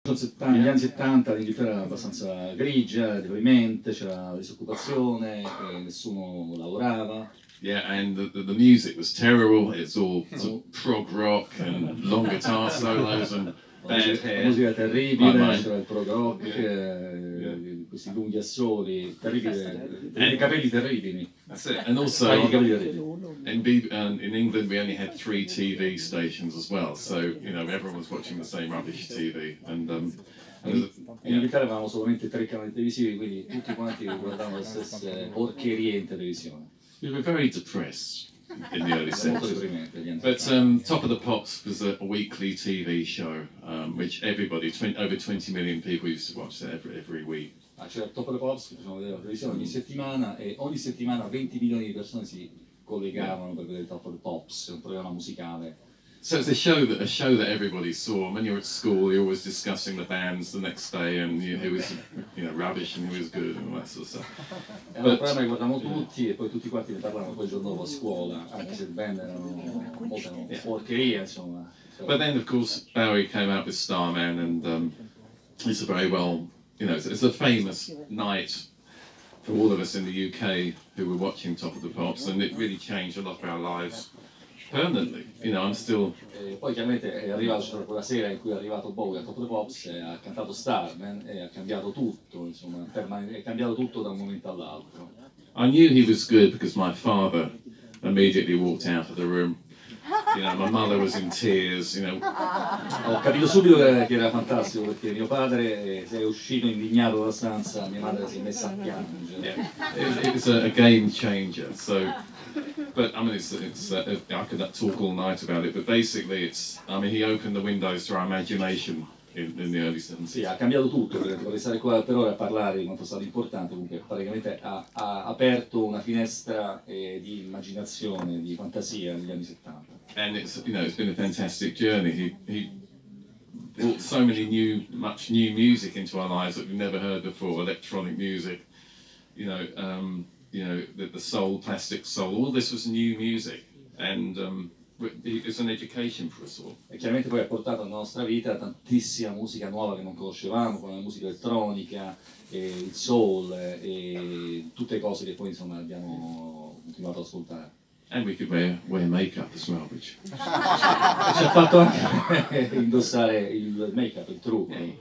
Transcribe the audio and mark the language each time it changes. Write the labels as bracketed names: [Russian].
[Italian] Negli anni 70 l'Inghilterra era abbastanza grigia, deprimente, c'era la disoccupazione, nessuno lavorava. [English] Yeah, and the music was terrible, it's all prog rock and long guitar solos and bad hair. [Italian] La musica terribile, c'era il prog rock, questi lunghi assoli, terribili, i capelli terribili. [English] And also, in England we only had 3 TV stations as well, so you know everyone was watching the same rubbish TV. [Italian] In Italia avevamo solamente 3 canali televisivi, quindi tutti quanti guardavano le stesse porcherie in televisione. [English] We were very depressed in the early 70s. But Top of the Pops was a weekly TV show, which everybody, over 20 million people used to watch that every week. [Italian] C'era Top of the Pops, che facevano vedere la televisione ogni settimana, e ogni settimana 20 milioni di persone si collegavano per vedere Top of the Pops, un programma musicale. [English] So it's a show that everybody saw. When you were at school, you're always discussing the bands the next day, and who was, rubbish and who was good and all that sort of stuff. [Italian] Era un programma che guardavamo tutti, e poi tutti quanti ne parlavano poi il giorno dopo a scuola, anche se il band era una porcheria, insomma. [English] But then, of course, Bowie came out with Starman, and it's a very well, it's a famous night for all of us in the UK who were watching Top of the Pops, and it really changed a lot of our lives. Permanently, I'm still. [Italian] Poi chiaramente è arrivato quella sera in cui è arrivato Bowie a Top of the Pops, ha cantato Starman e ha cambiato tutto, è cambiato tutto da un momento all'altro. [English] I knew he was good because my father immediately walked out of the room. My mother was in tears, [Italian] Ho capito subito che era fantastico perché mio padre si è uscito indignato dalla stanza, mia madre si è messa a piangere. [English] Yeah. It was a game changer, so. But I could talk all night about it, but basically he opened the windows to our imagination in the early 70s. [Italian] Sì, ha cambiato tutto, vorrei stare qua per ore a parlare di quanto è stato importante, comunque praticamente ha aperto una finestra di immaginazione, di fantasia negli anni 70. [English] And it's been a fantastic journey. He brought so many new music into our lives that we've never heard before, electronic music, the soul, plastic soul, all this was new music, and it was an education for us all. [Italian] E chiaramente poi ha portato alla nostra vita tantissima musica nuova che non conoscevamo, come la musica elettronica, il soul, e tutte cose che poi insomma abbiamo continuato ad ascoltare. [English] And we could wear makeup as well, which [Italian] ci ha fatto anche indossare il makeup, il trucco,